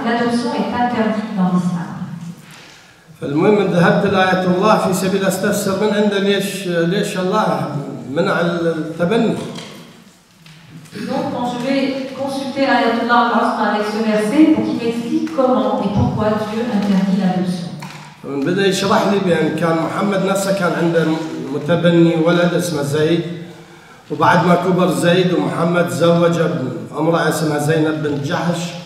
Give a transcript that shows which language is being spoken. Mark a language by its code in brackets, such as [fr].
[fr] L'adoption est interdite dans l'islam. [ar] المهم إن ذهبت لآية الله في سبيل استفسر من عنده ليش الله منع التبني. [fr] Donc quand je vais consulter l'ayat Allah avec ce verset pour qu'il m'explique comment et pourquoi Dieu interdit l'adoption. [ar] بدأ يشرح لي بأن كان محمد نفسه كان عنده متبني ولد اسمه زيد، وبعد ما كبر زيد ومحمد تزوج امرأة اسمها زينب بنت جحش.